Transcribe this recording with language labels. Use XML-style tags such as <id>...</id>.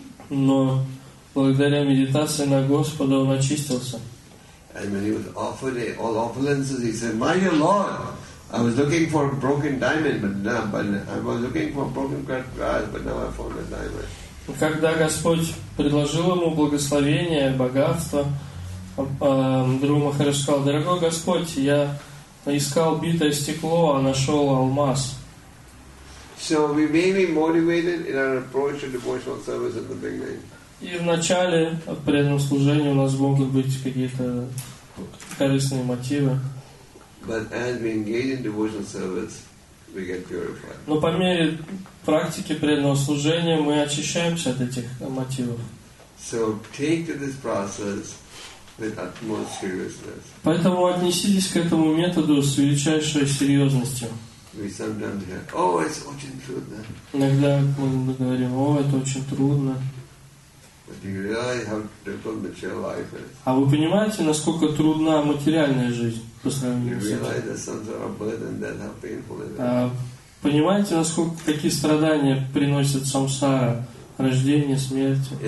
<ru>Но благодаря медитации на Господа он очистился.</ru> <en>And when he was offered all opulences, he said, "My Lord, I was looking for a broken diamond, but now I found a diamond."</en> <ru>Когда Господь предложил ему благословение, богатство, Друва Махараджи сказал, "Дорогой Господь, я искал битое стекло, а нашел алмаз."</ru> <en>So we may be motivated in our approach to devotional service at the beginning.</en> <ru>И в начале преданного служения у нас могут быть какие-то корыстные мотивы.</ru> <en>But as we engage in devotional service, we get purified.</en> <ru>Но по мере практики преданного служения мы очищаемся от этих мотивов.</ru> <en>So take to this process with utmost seriousness.</en> <ru>Поэтому отнеситесь к этому методу с величайшей серьезностью.</ru> <en>We sometimes hear, "Oh, it's</en> <ru>очень трудно." Иногда мы говорим, "О, это очень трудно."</ru> <en>But do you realize how difficult material life is?</en> <ru>А вы понимаете, насколько трудна материальная жизнь по сравнению с этим?</ru> <en>Do you realize the burden that how painful it is?</en> <ru>Понимаете, насколько какие страдания приносят самсара? Рождение, смерть.</ru>